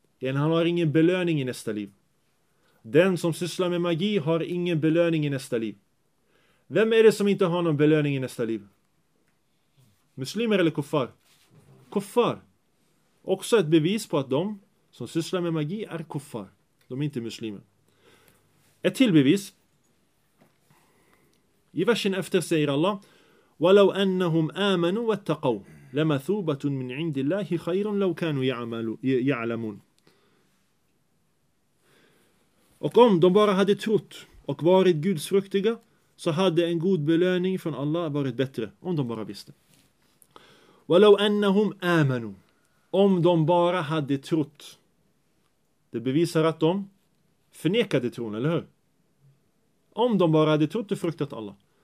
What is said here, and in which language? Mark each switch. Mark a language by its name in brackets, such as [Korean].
[Swedish] Han har ingen belöning i nästa liv. Den som sysslar med magi har ingen belöning i nästa liv. Vem är det som inte har någon belöning i nästa liv? Muslimer eller kuffar? Kuffar. Också ett bevis på att de som sysslar med magi är kuffar. De är inte muslimer. Ett till bevis. I versen efter säger Allah, [Arabic] وَلَوْ أَنَّهُمْ آمَنُوا وَاتَّقَوْا لَمَثُوبَةٌ مِنْ عِنْدِ اللَّهِ خَيْرٌ لَوْ كَانُوا يَعْلَمُونَ. [Swedish] Och om de bara hade trott och varit gudsfruktiga, så hade en god belöning från Allah varit bättre, om de bara visste. [Arabic] وَلَوْ أَنَّهُمْ آمَنُوا. [Swedish] Om de bara hade trott. Det bevisar att de förnekade tron, eller hur? Om de bara hade trott och fruktat Allah.